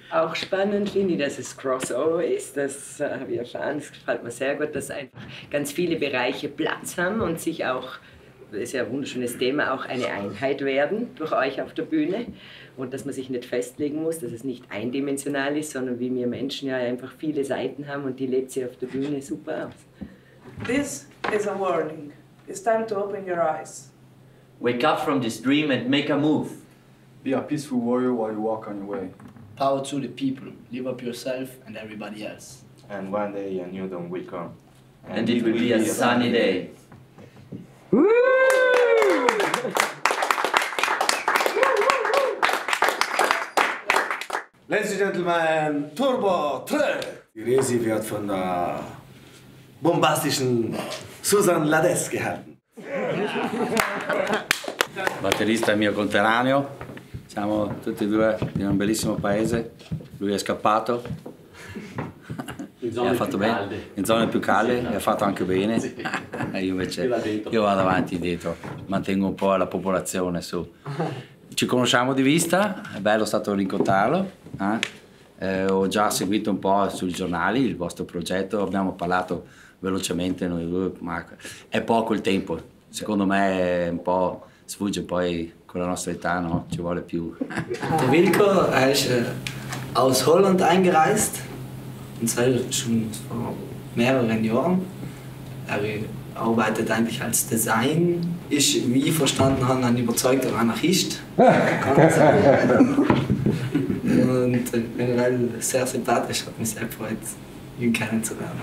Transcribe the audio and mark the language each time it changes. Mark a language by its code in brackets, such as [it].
[de] Auch spannend finde ich, dass es Crossover ist. Das habe ich erfahren, das gefällt mir sehr gut, dass einfach ganz viele Bereiche Platz haben und sich auch, das ist ja ein wunderschönes Thema, auch eine Einheit werden durch euch auf der Bühne. Und dass man sich nicht festlegen muss, dass es nicht eindimensional ist, sondern wie wir Menschen ja einfach viele Seiten haben und die lebt sie auf der Bühne super aus. [en] This is a warning. It's time to open your eyes. Wake up from this dream and make a move. Be a peaceful warrior while you walk on your way. Power to the people. Live up yourself and everybody else. And one day a new dawn will come. And it will be a sunny day. Woo! Ladies and gentlemen, Turbo Trill! [de] Die Resi wird von der bombastischen Susan Lades gehalten. [it] Batterista mio conterraneo. Siamo tutti e due in un bellissimo paese. Lui è scappato. In zone ha fatto più bene. Calde. In zone più calde, sì, no. Ha fatto anche bene. Sì. Io invece io vado avanti dietro, mantengo un po' la popolazione su. Ci conosciamo di vista, è bello stato rincontrarlo. Ho già seguito un po' sui giornali il vostro progetto, abbiamo parlato velocemente noi due, ma è poco il tempo. Secondo me è un po' sfugge poi con la nostra età, no? Ci vuole più. [de] Der Wilco ist aus Holland eingereist. Und zwar schon vor mehreren Jahren. Er arbeitet eigentlich als Design, ist, wie ich verstanden habe, ein überzeugter Anarchist. Und generell sehr sympathisch, hat mich sehr gefreut, ihn kennenzulernen.